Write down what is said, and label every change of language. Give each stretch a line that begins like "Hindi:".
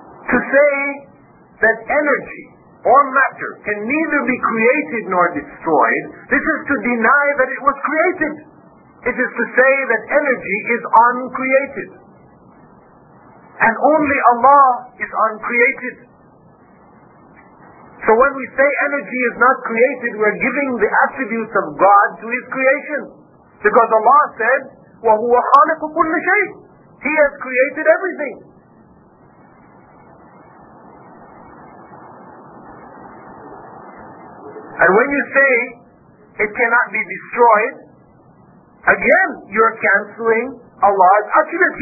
English: To say that energy or matter can neither be created nor destroyed, this is to deny that it was created. It is to say that energy is uncreated. And only Allah is uncreated. So when we say energy is not created, we are giving the attributes of God to His creation. Because Allah said,
Arabic: وَهُوَ خَالِقُ كُلِّ شَيْءٍ.
English: He has created everything. And when you say it cannot be destroyed, again, you're canceling Allah's attributes.